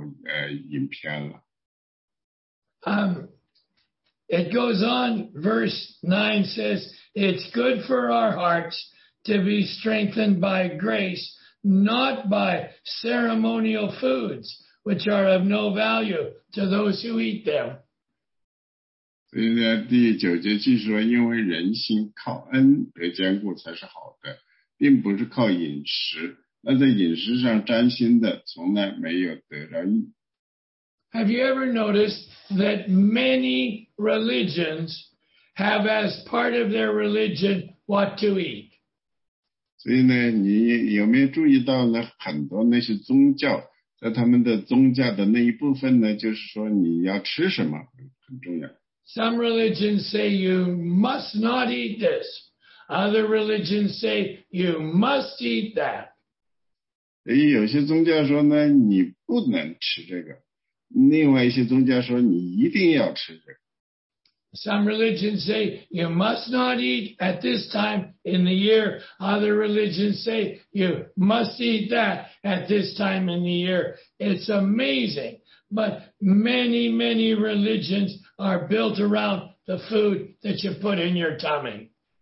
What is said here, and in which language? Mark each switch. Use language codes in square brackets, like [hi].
[zh] 所以呢，作为一个新基督徒来说呢，非常容易的被那些新的奇怪的教导引偏了。 [en] It goes on, verse 9 says, it's good for our hearts to be strengthened by grace, not by ceremonial foods, which are of no value to those who eat them. [zh] 所以呢，第九节继续说，因为人心靠恩得坚固才是好的，并不是靠饮食。那在饮食上沾心的，从来没有得着益。 [en] Have you ever noticed that many religions have as part of their religion what to eat. [zh] 所以呢，你有没有注意到呢？很多那些宗教，在他们的宗教的那一部分呢，就是说你要吃什么很重要。 [en] Some religions say you must not eat this. Other religions say you must eat that. [zh] 有些宗教说呢，你不能吃这个；另外一些宗教说你一定要吃这个。 [en] Some religions say you must not eat at this time in the year. Other religions say you must eat that at this time in the year. It's amazing. But many, many religions are built around the food that you put in your tummy.